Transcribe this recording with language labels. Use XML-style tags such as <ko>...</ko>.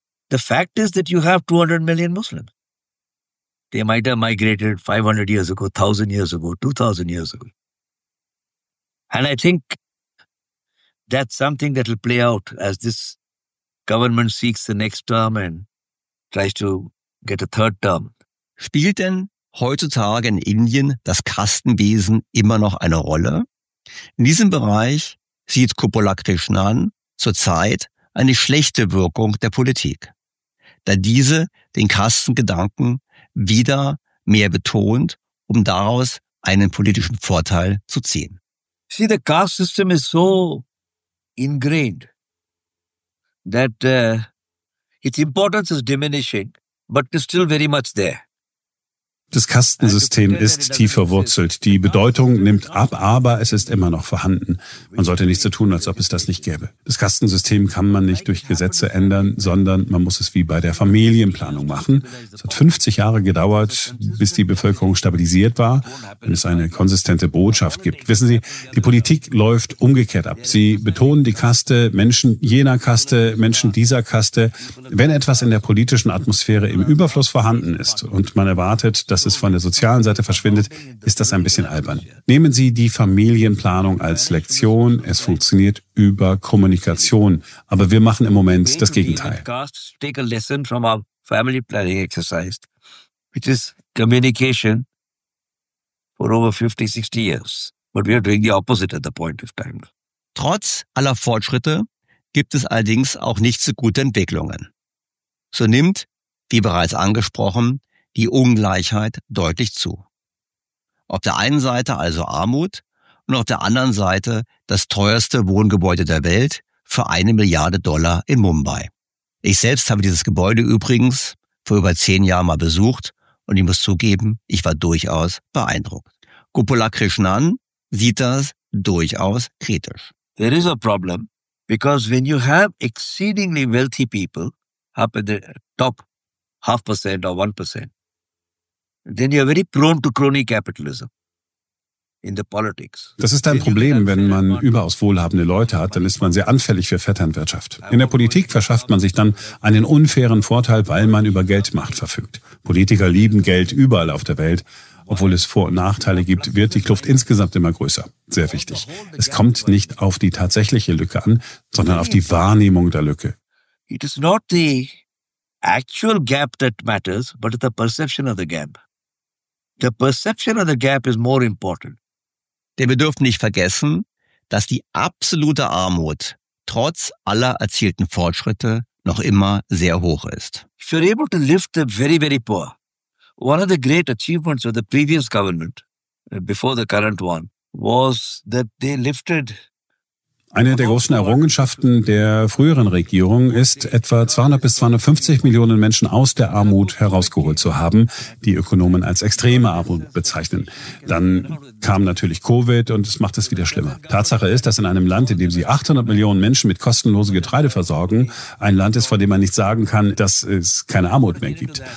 <en>The fact is that you have 200 million Muslims. They might have migrated 500 years ago, 1,000 years ago, 2,000 years ago. And I think that's something that will play out as this government seeks the next term and tries to get a third term.</en> <de>Spielt denn heutzutage in Indien das Kastenwesen immer noch eine Rolle? In diesem Bereich sieht Gopalakrishnan zurzeit eine schlechte Wirkung der Politik, da diese den Kastengedanken wieder mehr betont, um daraus einen politischen Vorteil zu ziehen.</de> <en>See, the caste system is so ingrained that its importance is diminishing, but it's still very much there.</en> <de>Das Kastensystem ist tief verwurzelt. Die Bedeutung nimmt ab, aber es ist immer noch vorhanden. Man sollte nicht so tun, als ob es das nicht gäbe. Das Kastensystem kann man nicht durch Gesetze ändern, sondern man muss es wie bei der Familienplanung machen. Es hat 50 Jahre gedauert, bis die Bevölkerung stabilisiert war und es eine konsistente Botschaft gibt. Wissen Sie, die Politik läuft umgekehrt ab. Sie betonen die Kaste, Menschen jener Kaste, Menschen dieser Kaste. Wenn etwas in der politischen Atmosphäre im Überfluss vorhanden ist und man erwartet, dass es von der sozialen Seite verschwindet, ist das ein bisschen albern. Nehmen Sie die Familienplanung als Lektion. Es funktioniert über Kommunikation. Aber wir machen im Moment das Gegenteil.</de> <en>Take a lesson from our family planning exercise, which is communication for over 50, 60 years. But we are doing the opposite at the point of time.</en> <de>Trotz aller Fortschritte gibt es allerdings auch nicht so gute Entwicklungen. So nimmt, wie bereits angesprochen, die Ungleichheit deutlich zu. Auf der einen Seite also Armut und auf der anderen Seite das teuerste Wohngebäude der Welt für $1 Milliarde in Mumbai. Ich selbst habe dieses Gebäude übrigens vor über 10 Jahren mal besucht und ich muss zugeben, ich war durchaus beeindruckt. Gopala Krishnan sieht das durchaus kritisch.</de> <en>There is a problem, because when you have exceedingly wealthy people up at the top 0.5% or 1%, then you are very prone to crony capitalism in the politics.</en> <de>Das ist ein Problem, wenn man überaus wohlhabende Leute hat, dann ist man sehr anfällig für Vetternwirtschaft. In der Politik verschafft man sich dann einen unfairen Vorteil, weil man über Geldmacht verfügt. Politiker lieben Geld überall auf der Welt. Obwohl es Vor- und Nachteile gibt, wird die Kluft insgesamt immer größer. Sehr wichtig. Es kommt nicht auf die tatsächliche Lücke an, sondern auf die Wahrnehmung der Lücke.</de> <en>It is not the actual gap that matters, but the perception of the gap. The perception of the gap is more important.</en> <de>Denn wir dürfen nicht vergessen, dass die absolute Armut trotz aller erzielten Fortschritte noch immer sehr hoch ist.</de> <en>If you're able to lift the very, very poor, one of the great achievements of the previous government, before the current one, was that they lifted.</en> <de>Eine der großen Errungenschaften der früheren Regierung ist, etwa 200 bis 250 Millionen Menschen aus der Armut herausgeholt zu haben, die Ökonomen als extreme Armut bezeichnen. Dann kam natürlich Covid und es macht es wieder schlimmer. Tatsache ist, dass in einem Land, in dem sie 800 Millionen Menschen mit kostenlosem Getreide versorgen, ein Land ist, vor dem man nicht sagen kann, dass es keine Armut mehr gibt.</de>